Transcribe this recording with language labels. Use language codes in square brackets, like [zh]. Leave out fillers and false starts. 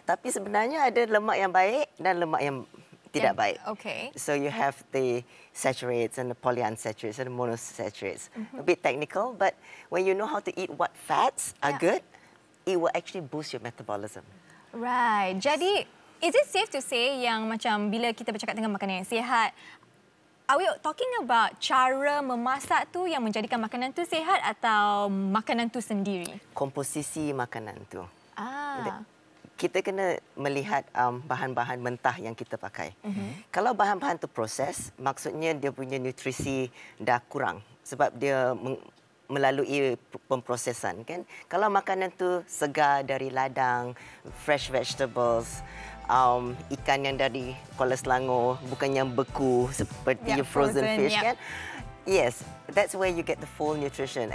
[ms] Tapi sebenarnya ada lemak yang baik dan lemak yang tidak baik. [en] Okay. So you have the saturates and the polyunsaturates and the monosaturates. Mm-hmm. A bit technical, but when you know how to eat what fats are good, it will actually boost your metabolism. Right. [ms] Jadi, [en] is it safe to say [ms] yang macam bila kita bercakap tentang makanan yang sihat, [en] are we talking about [ms] cara memasak tu yang menjadikan makanan tu sihat atau makanan tu sendiri? Komposisi makanan tu. Ah. Kita kena melihat bahan-bahan mentah yang kita pakai. Mm-hmm. Kalau bahan-bahan tu proses, maksudnya dia punya nutrisi dah kurang sebab dia melalui pemprosesan, kan? Kalau makanan tu segar dari ladang, [en] fresh vegetables, [ms] ikan yang dari Kuala Selangor, bukan yang beku seperti [en] frozen fish, [ms] kan? [en] Yes, that's where you get the full nutrition.